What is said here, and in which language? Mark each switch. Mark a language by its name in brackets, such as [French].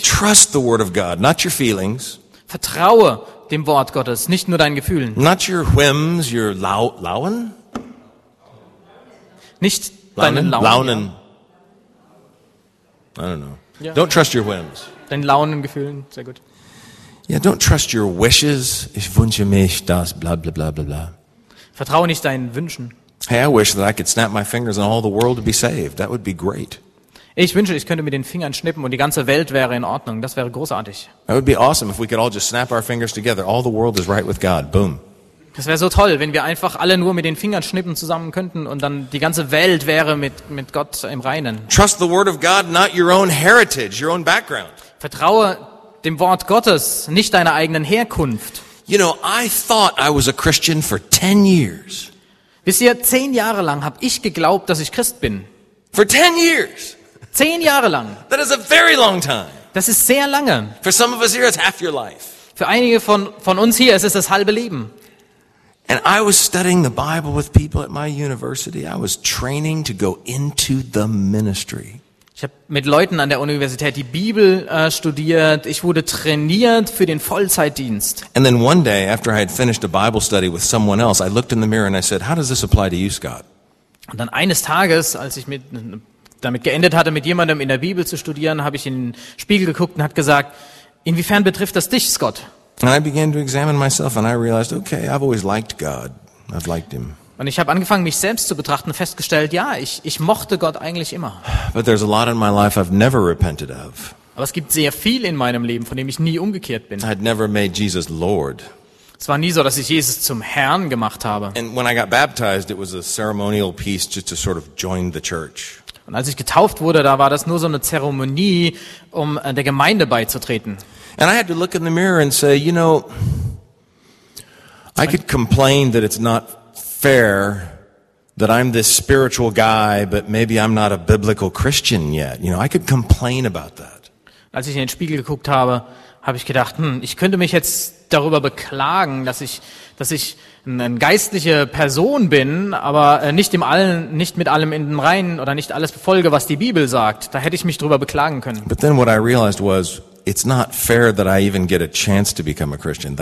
[English] Trust the word of God, not your feelings. [German] Vertraue dem Wort Gottes, nicht nur deinen Gefühlen. [English] Not your whims, your Launen? [German] Nicht deinen Launen. Ja. [English] I don't know. Yeah. Don't trust your whims. [German] Deinen Launen, Gefühlen, sehr gut. [English] Yeah, don't trust your wishes. [German] Ich wünsche mich das, bla bla bla bla bla. Vertraue nicht deinen Wünschen. [English] Hey, I wish that I could snap my fingers and all the world would be saved. That would be great. [German] Ich wünsche, ich könnte mit den Fingern schnippen und die ganze Welt wäre in Ordnung. Das wäre großartig. [English] That would be awesome if we could all just snap our fingers together. All the world is right with God. Boom. [German] Das wäre so toll, wenn wir einfach alle nur mit den Fingern schnippen zusammen könnten und dann die ganze Welt wäre mit Gott im Reinen. [English] Trust the word of God, not your own heritage, your own background. [German] Vertraue dem Wort Gottes, nicht deiner eigenen Herkunft. [English] You know, I thought I was a Christian for 10 years. [German] Wisst ihr, 10 Jahre lang habe ich geglaubt, dass ich Christ bin. [English] For 10 years. [German] 10 Jahre lang. [English] That is a very long time. [German] Das ist sehr lange. [English] For some of us here, it's half your life. [German] Für einige von uns hier, es ist das halbe Leben. [English] And I was studying the Bible with people at my university. I was training to go into the ministry. [German] Ich habe mit Leuten an der Universität die Bibel studiert. Ich wurde trainiert für den Vollzeitdienst. [English] And then one day, after I had finished a Bible study with someone else, I looked in the mirror and I said, "How does this apply to you, Scott?" [German] Und dann eines Tages, als ich damit geendet hatte, mit jemandem in der Bibel zu studieren, habe ich in den Spiegel geguckt und hat gesagt, inwiefern betrifft das dich, Scott? [English] And I began to examine myself and I realized, okay, I've always liked God. I've liked him. [German] Und ich habe angefangen, mich selbst zu betrachten und festgestellt, ja, ich mochte Gott eigentlich immer. [English] But there's a lot in my life I've never repented of. [German] Aber es gibt sehr viel in meinem Leben, von dem ich nie umgekehrt bin. [English] I'd never made Jesus Lord. [German] Es war nie so, dass ich Jesus zum Herrn gemacht habe. [English] And when I got baptized, it was a ceremonial piece just to sort of join the church. [German] Und als ich getauft wurde, da war das nur so eine Zeremonie, um der Gemeinde beizutreten. [English] And I had to look in the mirror and say, you know, I could complain that it's not fair that I'm this spiritual guy, but maybe I'm not a biblical Christian yet. You know, I could complain about that. [German] Als ich in den Spiegel geguckt habe, habe ich gedacht, ich könnte mich jetzt darüber beklagen, dass ich eine geistliche Person bin, aber nicht mit allem in den Reinen oder nicht alles befolge, was die Bibel sagt. Da hätte ich mich drüber beklagen können. [English] But then what I realized was, it's not fair that I even get a chance to become a Christian.